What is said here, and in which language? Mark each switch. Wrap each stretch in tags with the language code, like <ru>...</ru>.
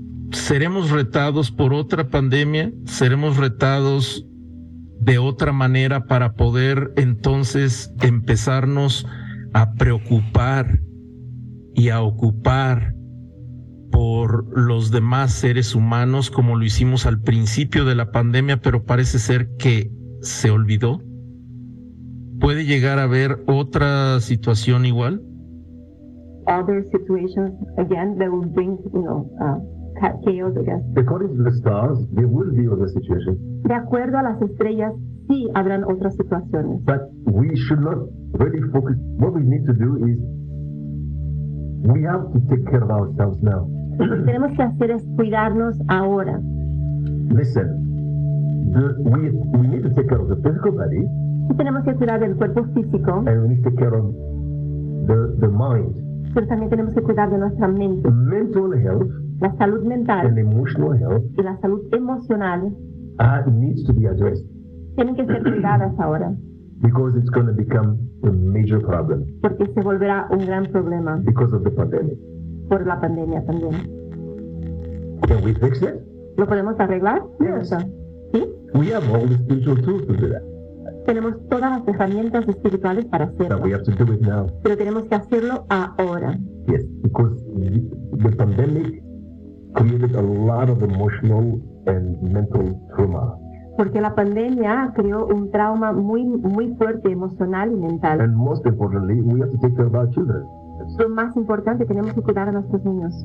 <es>¿Seremos retados por otra pandemia? ¿Seremos retados de otra manera para poder entonces empezarnos a preocupar y a ocupar por los demás seres humanos como lo hicimos al principio de la pandemia, pero parece ser que se olvidó? ¿Puede llegar a haber otra situación igual?</es> <en>Other situations again that will bring, chaos again. According to the stars, there will be other situations.</en> <es>De acuerdo a las estrellas, sí habrán otras situaciones.</es> <en>But we should not really focus. What we need to do is, we have to take care of ourselves now.</en> <es>Lo que tenemos que hacer es cuidarnos ahora.</es> <en>Listen, we need to take care of the physical body.</en> <es>Y tenemos que cuidar del cuerpo físico.</es> <en>And we need to care of the mind.</en> <es>Pero también tenemos que cuidar de nuestra mente.</es> <en>Mental health.</en> <es>La salud mental.</es> <en>And emotional health.</en> <es>Y la salud emocional.</es> <en>Needs to be addressed.</en> <es>Tienen que ser cuidadas ahora.</es> <en>Because it's going to become a major problem.</en> <es>Porque se volverá un gran problema.</es> <en>Because of the pandemic.</en> <es>Por la pandemia también.</es> <en>Can we fix it?</en> <es>¿Lo podemos arreglar?</es> <en>Yes.</en> <es>¿Sí?</es> <en>We have all the spiritual tools to do that.</en> <es>Tenemos todas las herramientas espirituales para hacerlo.</es> <en>But we have to do it now.</en> <es>Pero tenemos que hacerlo ahora.</es> <en>Yes, because the pandemic created a lot of emotional and mental trauma.</en> <es>Porque la pandemia creó un trauma muy, muy fuerte emocional y mental.</es> <en>And most importantly, we have to take care of our children.</en> <es>Lo más importante, tenemos que cuidar a nuestros niños.</es>